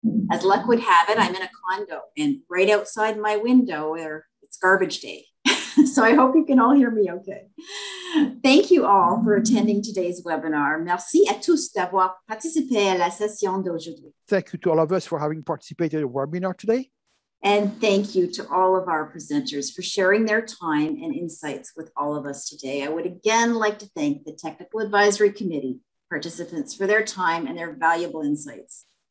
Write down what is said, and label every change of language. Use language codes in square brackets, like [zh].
[en] As luck would have it, I'm in a condo, and right outside my window, where it's garbage day. So I hope you can all hear me okay. Thank you all for attending today's webinar. [fr] Merci à tous d'avoir participé à la session d'aujourd'hui. [en] Thank you to all of us for having participated in the webinar today. And thank you to all of our presenters for sharing their time and insights with all of us today. I would again like to thank the Technical Advisory Committee participants for their time and their valuable insights.